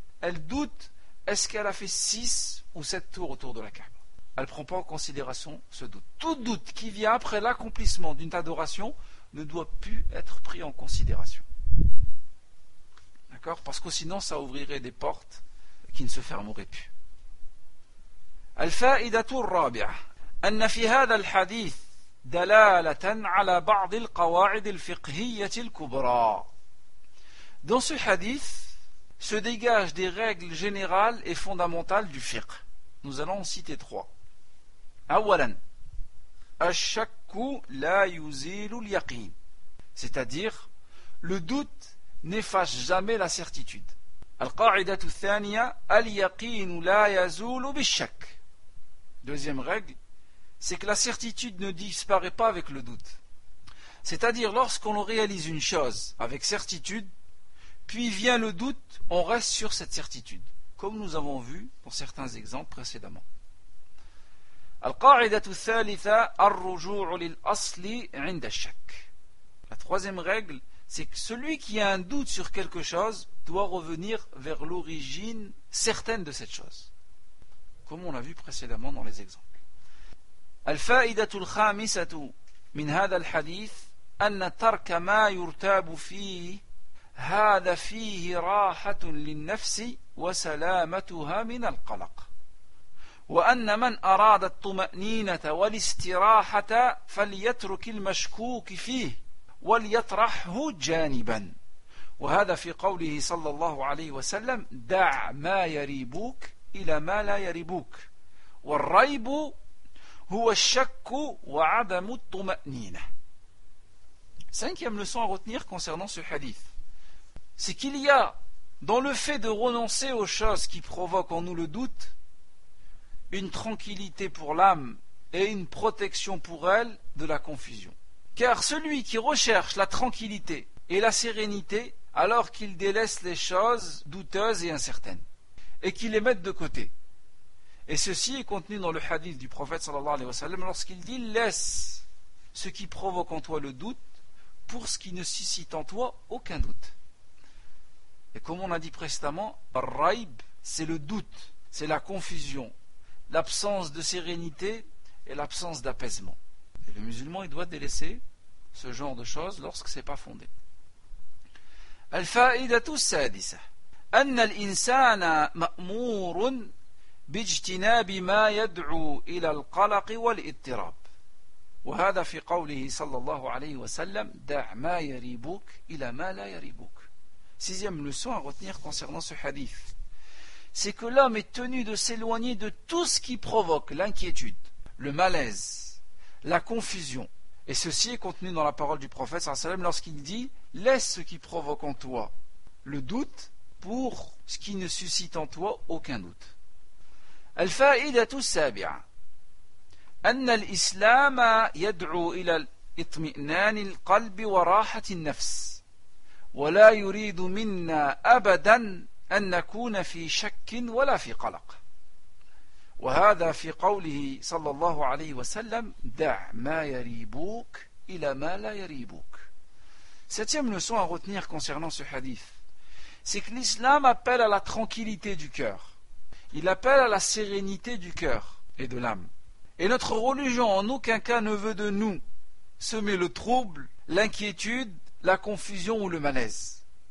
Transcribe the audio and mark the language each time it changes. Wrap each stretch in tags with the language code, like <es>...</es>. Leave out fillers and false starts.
<fr>Elle doute, est-ce qu'elle a fait 6 ou 7 tours autour de la Kaaba? Elle ne prend pas en considération ce doute. Tout doute qui vient après l'accomplissement d'une adoration ne doit plus être pris en considération. D'accord? Parce que sinon, ça ouvrirait des portes qui ne se fermeraient plus.</fr> <ar>الفائدة الرابعة أن في هذا الحديث دلالة على بعض القواعد الفقهية الكبرى.</ar> <fr>Dans ce hadith se dégagent des règles générales et fondamentales du fiqh. Nous allons en citer trois.</fr> <ar>أولا الشك لا يزيل اليقين.</ar> <fr>C'est-à-dire, le doute n'efface jamais la certitude.</fr> <ar>القاعدة الثانية اليقين لا يزول بالشك.</ar> <fr>Deuxième règle, c'est que la certitude ne disparaît pas avec le doute. C'est-à-dire, lorsqu'on réalise une chose avec certitude, puis vient le doute, on reste sur cette certitude, comme nous avons vu dans certains exemples précédemment.</fr> <ar>القاعدة الثالثة الرجوع للأصل عند الشك.</ar> <fr>La troisième règle, c'est que celui qui a un doute sur quelque chose doit revenir vers l'origine certaine de cette chose, comme on l'a vu précédemment dans les exemples.</fr> <ar>الفائدة الخامسة من هذا الحديث أن ترك ما يرتاب فيه هذا فيه راحة للنفس وسلامتها من القلق وأن من أراد الطمأنينة والاستراحة فليترك المشكوك فيه وليطرحه جانبا وهذا في قوله صلى الله عليه وسلم دع ما يريبوك إلى ما لا يريبوك والريب هو الشك وعدم الطمأنينة.</ar> <fr>Cinquième leçon à retenir concernant ce hadith, c'est qu'il y a dans le fait de renoncer aux choses qui provoquent en nous le doute une tranquillité pour l'âme et une protection pour elle de la confusion. Car celui qui recherche la tranquillité et la sérénité alors qu'il délaisse les choses douteuses et incertaines et qu'il les mette de côté. Et ceci est contenu dans le hadith du prophète sallallahu alayhi wa sallam lorsqu'il dit « Laisse ce qui provoque en toi le doute pour ce qui ne suscite en toi aucun doute. » Et comme on a dit précédemment, « Raib » c'est le doute, c'est la confusion, l'absence de sérénité et l'absence d'apaisement. Et le musulman, il doit délaisser ce genre de choses lorsque ce n'est pas fondé.</fr> <ar>« الفائدة السادسة أن الإنسان مأمور باجتناب ما يدعو إلى القلق والاضطراب وهذا في قوله صلى الله عليه وسلم دع ما يريبك إلى ما لا يريبك.</ar> <fr>Sixième leçon à retenir concernant ce hadith, c'est que l'homme est tenu de s'éloigner de tout ce qui provoque l'inquiétude, le malaise, la confusion. Et ceci est contenu dans la parole du prophète sallallahu alayhi wa sallam lorsqu'il dit « Laisse ce qui provoque en toi le doute pour ce qui ne suscite en toi aucun doute. »</fr> <ar>الفائدة السابعة أن الإسلام يدعو إلى اطمئنان القلب وراحة النفس ولا يريد منا أبدا أن نكون في شك ولا في قلق وهذا في قوله صلى الله عليه وسلم دع ما يريبوك إلى ما لا يريبوك.</ar> <fr>Septième leçon à retenir concernant ce hadith, c'est que l'islam appelle à la tranquillité du cœur. Il appelle à la sérénité du cœur et de l'âme. Et notre religion en aucun cas ne veut de nous semer le trouble, l'inquiétude, la confusion ou le malaise.</fr>